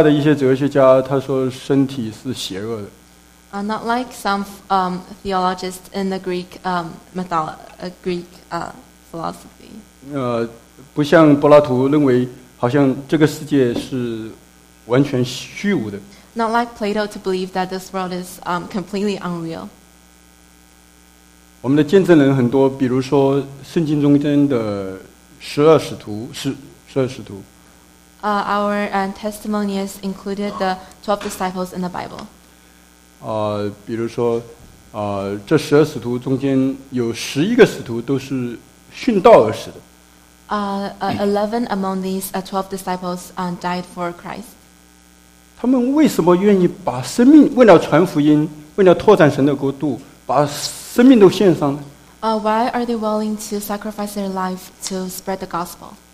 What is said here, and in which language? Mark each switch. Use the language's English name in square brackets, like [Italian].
[Chinese] 不像希腊的一些哲学家，他说身体是邪恶的。 [English] Not like some theologists in the Greek philosophy. [Chinese] 不像柏拉图认为，好像这个世界是。 [English] Not like Plato to believe that this world is completely unreal. [Chinese] 我们的见证人很多，比如说圣经中间的十二使徒，十二使徒。 [English] Our testimonies included the 12 disciples in the Bible. [Chinese] 比如说，这十二使徒中间有十一个使徒都是殉道而死的。 [English] 11 among these 12 disciples died for Christ. [Chinese] 他们为什么愿意把生命，为了传福音，为了拓展神的国度，把生命都献上呢？ [English] Why are they willing to sacrifice their life to spread the gospel?